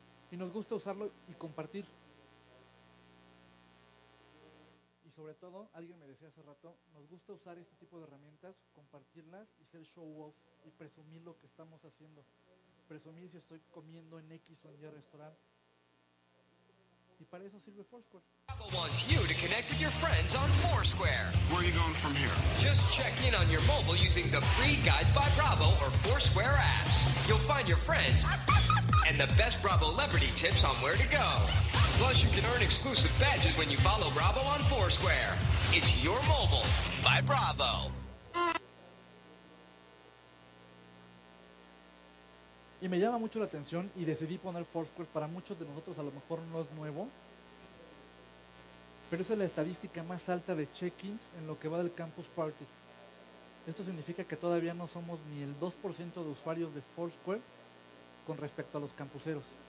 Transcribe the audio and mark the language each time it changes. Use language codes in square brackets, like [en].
[es] Y nos gusta usarlo y compartir. Y sobre todo, alguien me decía hace rato, nos gusta usar este tipo de herramientas, compartirlas y ser [en] show off [es] y presumir lo que estamos haciendo. Presumir si estoy comiendo en X o en Y restaurante. Y para eso sirve Foursquare. [en] Apple wants you to connect with your friends on Foursquare. Where are you going from here? Just check in on your mobile using the free Guides by Bravo or Foursquare apps. You'll find your friends and the best Bravo celebrity tips on where to go. Plus, you can earn exclusive badges when you follow Bravo on Foursquare. It's your mobile by Bravo. [es] Y me llama mucho la atención y decidí poner Foursquare. Para muchos de nosotros a lo mejor no es nuevo, pero es la estadística más alta de check-ins en lo que va del Campus Party. Esto significa que todavía no somos ni el 2% de usuarios de Foursquare con respecto a los campuseros.